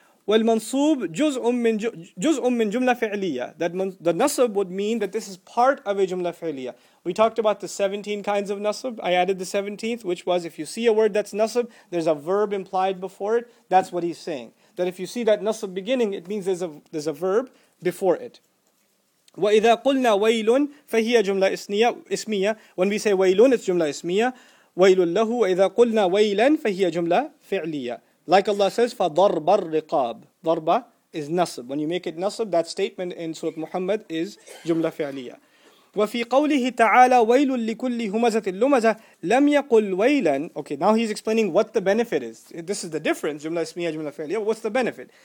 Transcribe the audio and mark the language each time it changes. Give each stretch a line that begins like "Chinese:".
Arabic: Wal-mansub juz'un min jumla fi'liyya,
English: that the nasab would mean that this is part of a jumla fi'liyya. We talked about the 17 kinds of nasab. I added the 17th, which was if you see a word that's nasab, there's a verb implied before it. That's what he's saying. That if you see that nasab beginning, it means there's a verb before it.
Arabic: وَإِذَا قُلْنَا وَيْلٌ فَهِيَ جُمْلَ إِسْمِيَةٌ,
English: when we say
Arabic: وَيْلٌ, it's جُمْلَ إِسْمِيَةٌ. وَيْلٌ لَهُ وَإِذَا قُلْنَا وَيْلًا فَهِيَ جُمْلَ فِعْلِيَةٌ.
English: Like Allah says,
Arabic: فَضَرْبَ الرِّقَابِ,
English: ضَرْبَ is nasab. When you make it nasab, that statement in Surah Muhammad is جُمْلَ فِعْلِيَةٌ.
Arabic: وَفِي قَوْلِهِ تَعَالَى وَيْلٌ لِكُلِّ هُمَزَةٍ لُمَزَةٍ لَمْ يَقُلْ وَيْلًا.
English: Okay, now he's explaining what the benefit is. This is the difference, جُمْلَة إِسْمِيَة, جُمْلَة فِعْلِيَة. What's the benefit?